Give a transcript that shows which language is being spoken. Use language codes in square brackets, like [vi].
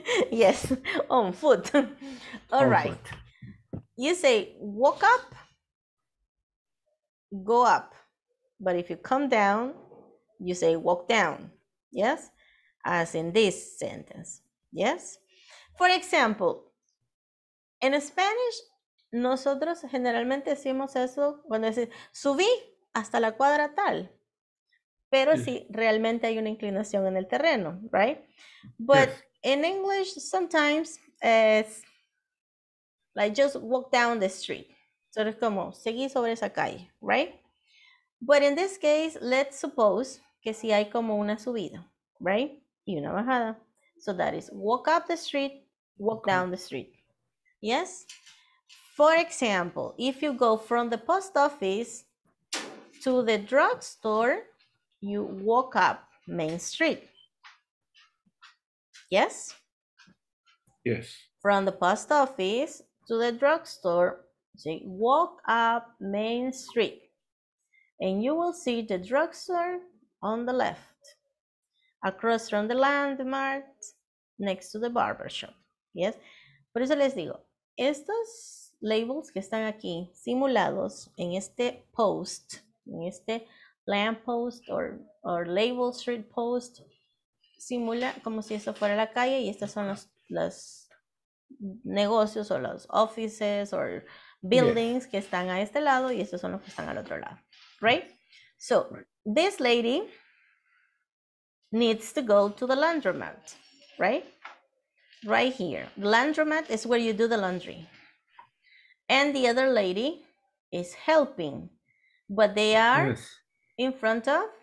[en] Yes. On foot. All right. Foot. You say walk up. Go up, but if you come down, you say walk down, yes, as in this sentence, yes. For example, in Spanish, [es] nosotros generalmente decimos eso cuando dice subí hasta la cuadra tal, pero si realmente hay una inclinación en el terreno, right? [en] But in English, sometimes it's like just walk down the street. So it's [es] como, seguí sobre esa calle, right? [en] But in this case, let's suppose [es] que si hay como una subida, right? Y una bajada. [en] So that is walk up the street, walk down the street. Yes? For example, if you go from the post office to the drugstore, you walk up Main Street. Yes? Yes. From the post office to the drugstore, say walk up Main Street and you will see the drugstore on the left across from the landmark next to the barbershop. [es] Yes, por eso les digo, estos labels que están aquí simulados en este post, en este lamp post [en] or label street post, [es] simula como si eso fuera la calle y estas son las negocios o las [en] offices or buildings, [es] yes, que están a este lado y estos son los que están al otro lado, right? [en] So right. This lady needs to go to the laundromat, right? Right here. The laundromat is where you do the laundry. And the other lady is helping, but they are, yes, in front of